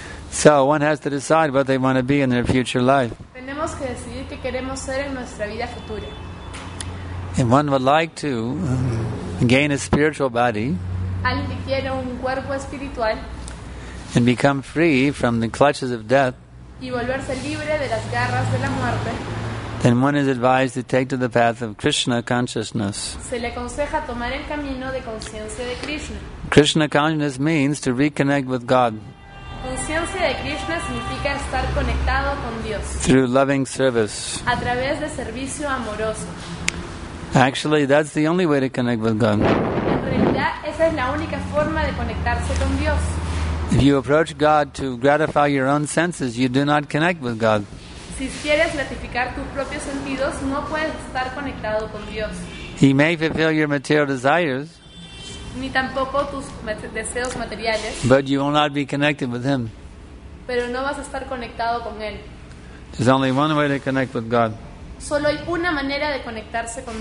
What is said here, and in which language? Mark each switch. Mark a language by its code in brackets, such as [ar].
[en] So one has to decide what they want to be in their future life. [es] Tenemos que decidir qué queremos ser en nuestra vida futura. [en] And one would like to gain a spiritual body. [es] Alguien que quiere un cuerpo espiritual. [en] And become free from the clutches of death. [es] Y volverse libre de las garras de la muerte. [en] Then one is advised to take to the path of Krishna consciousness. [es] Se le aconseja tomar el camino de conciencia de Krishna. [en] Krishna consciousness means to reconnect with God. [es] Conciencia de Krishna significa estar conectado con Dios. [en] Through loving service. [es] A través de servicio amoroso. [en] Actually, that's the only way to connect with God. [es] En realidad, esa es la única forma de conectarse con Dios. [en] If you approach God to gratify your own senses, you do not connect with God. [es] Si quieres gratificar tus propios sentidos, no puedes estar conectado con Dios. [en] He may fulfill your material desires. [es] Ni tampoco tus deseos materiales. [en] But you will not be connected with Him. [es] Pero no vas a estar conectado con Él. [en] There's only one way to connect with God. [es] Solo hay una manera de conectarse con Dios.